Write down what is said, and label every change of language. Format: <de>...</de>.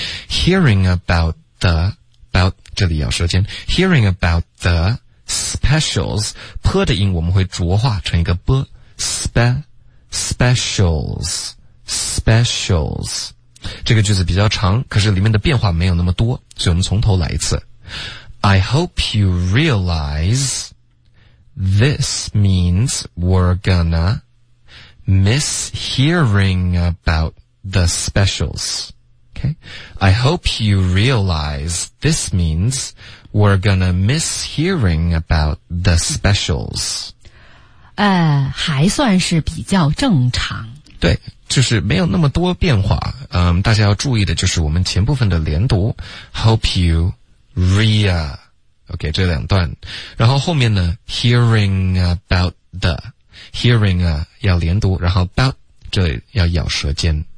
<en>Hearing about the about</en> <zh>这里咬舌尖</zh> <en>，hearing about the specials p</en> <zh>的音我们会浊化成一个</zh> <en>b specials specials。</en> <zh>这个句子比较长，可是里面的变化没有那么多，所以我们从头来一次。</zh> <en>I hope you realize this means we're gonna miss hearing about the specials. Okay? I hope you realize this means we're gonna miss hearing about the specials.</en> <zh>还算是比较正常。对，就是没有那么多变化。大家要注意的就是我们前部分的连读。</zh> <en>Hope you Okay,</en> <zh>这两段。然后后面呢 ,</zh> <en>hearing about the, hearing</en> <zh>要连读，然后 about, 这里要咬舌尖。</zh>